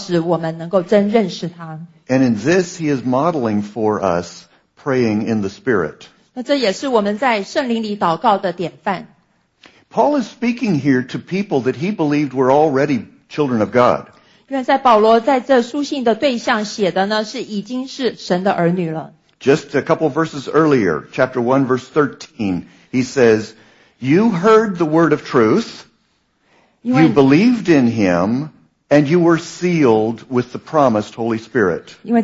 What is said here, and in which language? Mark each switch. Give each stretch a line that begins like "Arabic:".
Chinese: 当保罗为基督徒祷告的时候，他祷告使我们能够真认识他。
English: And in this, he is modeling for us praying in the Spirit.
Chinese: 那这也是我们在圣灵里祷告的典范。Paul
English: is speaking here to people that he believed were already children of God.
Chinese: 因为在保罗在这书信的对象写的呢，是已经是神的儿女了。
English: Just a couple of verses earlier, chapter 1, verse 13, he says, You heard the word of truth, you believed in him, and you were sealed with the promised Holy Spirit.